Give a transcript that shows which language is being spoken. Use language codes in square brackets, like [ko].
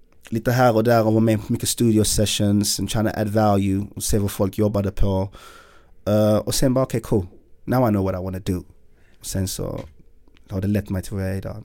[sv] Lite här och där, och var med på mycket studio sessions [en] and trying to add value [sv] och se vad folk jobbade på. Och sen bara, okej, [en] okay, cool, now I know what I want to do. [sv] Och sen så har det lett mig till vad jag är idag.